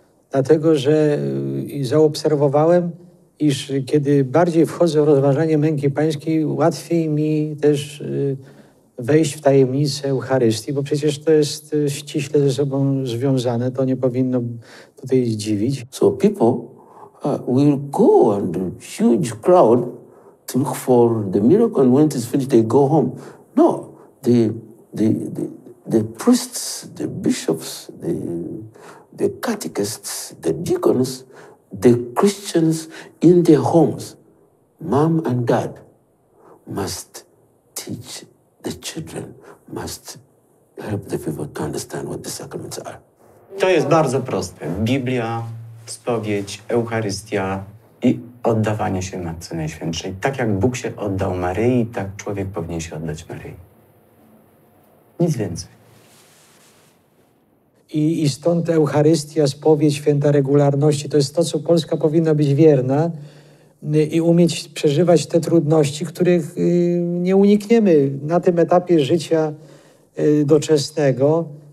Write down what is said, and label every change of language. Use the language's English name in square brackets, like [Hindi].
[Polish] Dlatego, że zaobserwowałem, iż kiedy bardziej wchodzę w rozważanie męki pańskiej, łatwiej mi też wejść w tajemnicę Eucharystii, bo przecież to jest ściśle ze sobą związane, to nie powinno tutaj zdziwić. [English] So people will go and huge crowd to look for the miracle and when it is finished they go home. No, the priests, the bishops, the catechists, the deacons, the Christians in their homes, mom and dad, must teach the children, must help the people to understand what the sacraments are. [Polish] To jest bardzo proste. Biblia, spowiedź, Eucharystia i oddawanie się Matce Najświętszej. Tak jak Bóg się oddał Maryi, tak człowiek powinien się oddać Maryi. Nic więcej. I stąd Eucharystia, spowiedź, święta regularności, to jest to, co Polska powinna być wierna i umieć przeżywać te trudności, których nie unikniemy na tym etapie życia doczesnego.